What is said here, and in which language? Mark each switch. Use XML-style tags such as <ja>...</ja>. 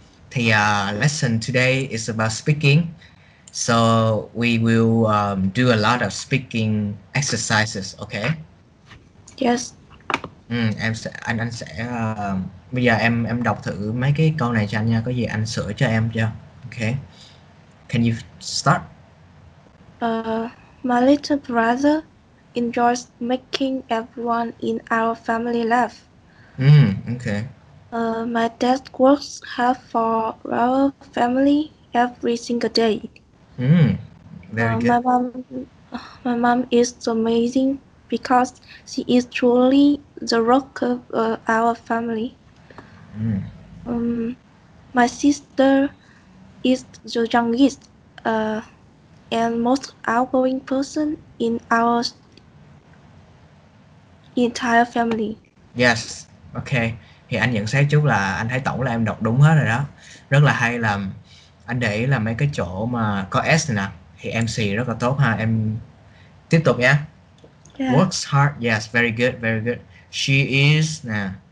<en>Thì lesson today is about speaking. So we will do a lot of speaking exercises, ok? Yes.</en> <vi>Em sẽ anh sẽ bây giờ em đọc thử mấy cái câu này cho anh nha, có gì anh sửa cho em chưa?</vi> <en>Ok. Can you start? My little brother enjoys making everyone in our family laugh. Okay. My dad works hard for our family every single day. Very good. My mom is amazing because she is truly the rock of our family. My sister is the youngest and most outgoing person in our entire family. Yes, okay.</en> <vi>Thì anh nhận xét chút là anh thấy tổng là em đọc đúng hết rồi đó. Rất là hay, là anh để ý là mấy cái chỗ mà có S này nè thì MC rất là tốt ha. Em tiếp tục nhé. Yeah.</vi> <en>Works hard. Yes, very good. She is nè.</en>